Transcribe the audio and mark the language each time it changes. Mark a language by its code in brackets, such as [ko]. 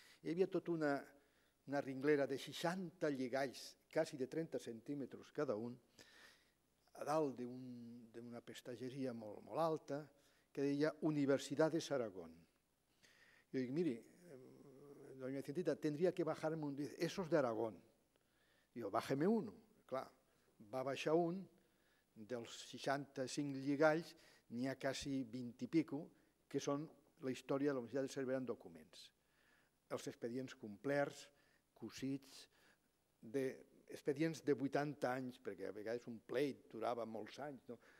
[ca] Hi havia tota una ringlera de 60 lligalls, quasi de 30 centímetres cada un, a dalt d'una pestageria molt, molt alta, que deia Universitat de Saragón. Jo dic: miri, [es] doña Vicentita, tendría que bajarme un... Eso es de Aragón. Y yo: bájeme uno. Clar, [ca] va baixar un, dels 65 lligalls n'hi ha quasi 20 i pico que són la història de la Universitat de Cervera en documents. Els expedients complerts, cosits, expedients de 80 anys, perquè a vegades un pleit durava molts anys, no?